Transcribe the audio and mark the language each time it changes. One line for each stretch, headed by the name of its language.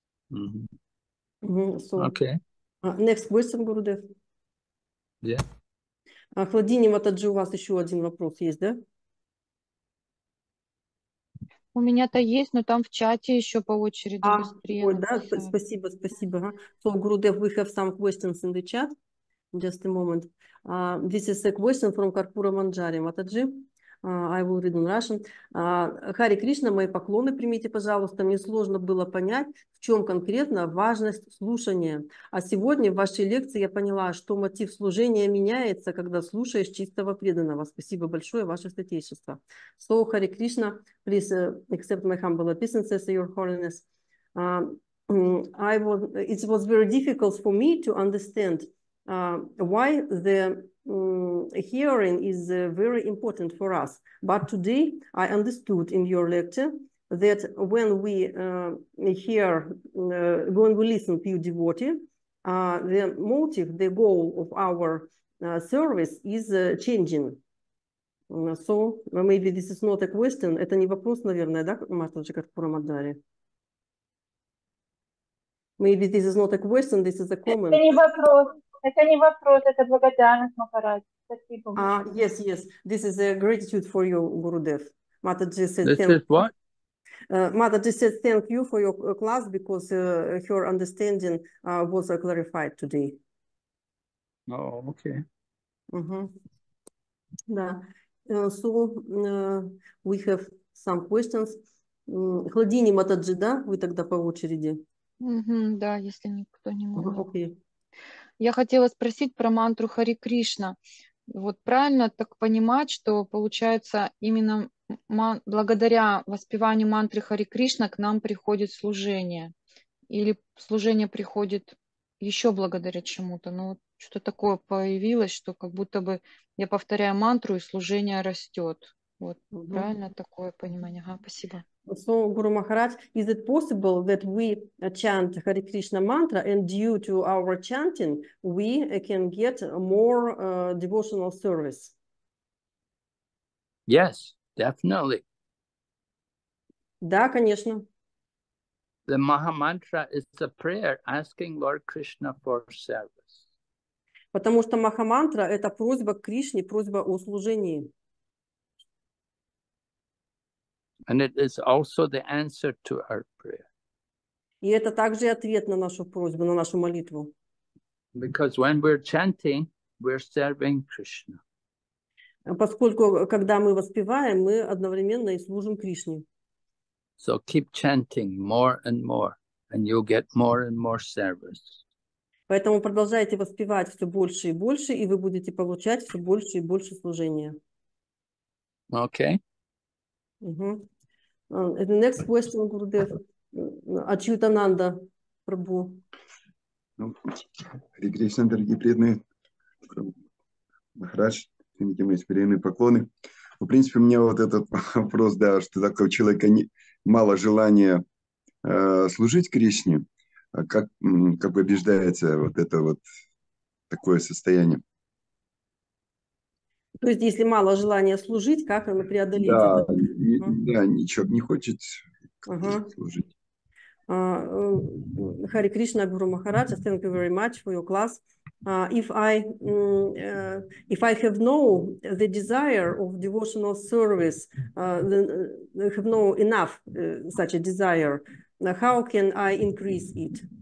English: Okay. Next question, Gurudev. Yeah.
Russian: Ахладини Матаджи, у вас еще один вопрос есть, да? У меня-то есть, но там в чате еще по очереди быстрее. Ой, да? Спасибо, спасибо.
English: So, Gurudev, we have some questions in the chat. Just a moment. This is a question from Karpura Manjari Mataji. I will read in Russian. Hare Krishna,
Russian: мои поклоны примите, пожалуйста. Мне сложно было понять, в чем конкретно важность слушания. А сегодня в вашей лекции я поняла, что мотив служения меняется, когда слушаешь чистого преданного. Спасибо большое, ваше святейшество.
English: So, Hare Krishna, please accept my humble obeisances, your holiness. It was very difficult for me to understand why the hearing is very important for us. But today I understood in your lecture that when we hear, when we listen to you, devotee, the motive, the goal of our service is changing. So maybe this is not a question.
Russian: Это не вопрос, наверное, да, Мартаджи Карпура Мандари?
English: Maybe this is not a question, this is a comment.
Russian: Это не вопрос. Это не вопрос, это благодарность, Махарадж. Спасибо.
English: Yes, yes. This is a gratitude for you, Gurudev. Mataji said this is what? Mataji said thank you for your class because her understanding was clarified today. Oh, okay.
Russian: Да.
English: So we have some questions.
Russian: Хладини Матаджи, да? Вы тогда по очереди. Да, если никто не может. Окей. Я хотела спросить про мантру Хари Кришна. Вот правильно так понимать, что получается именно благодаря воспеванию мантры Хари Кришна к нам приходит служение? Или служение приходит еще благодаря чему-то? Ну, что-то такое появилось, что как будто бы я повторяю мантру, и служение растет. Вот, правильно такое понимание? Ага, спасибо.
English: So, Guru Maharaj, is it possible that we chant Hare Krishna mantra and due to our chanting, we can get more devotional service? Yes, definitely.
Russian: Да, конечно.
English: The Maha Mantra is a prayer asking Lord Krishna for service.
Russian: Потому что Маха Мантра – это просьба к Кришне, просьба о служении.
English: And it is also the answer to our prayer.
Russian: И это также ответ на нашу просьбу, на нашу молитву.
English: Because when we're chanting, we're serving Krishna.
Russian: Поскольку, когда мы воспеваем, мы одновременно и служим Кришне.
English: So keep chanting more and more, and you'll get more and more service.
Russian: Поэтому продолжайте воспевать все больше и больше, и вы будете получать все больше и больше служения.
English: Okay. The next question, Gurudev. Ачьютананда, Прабху.
Russian: Ну, Хари Кришна, дорогие преданные, Махарадж, примите мои преданные поклоны. В принципе, у меня вот этот вопрос, да, что такое у человека мало желания служить Кришне, а как побеждается вот это вот такое состояние? То есть, если мало желания служить, как оно преодолеть? Да, это? Да, ничего не хочет служить.
English: Hare Krishna, Guru Maharaj, thank you very much for your class. If I have no the desire of devotional service, then have no enough such a desire, how can I increase it?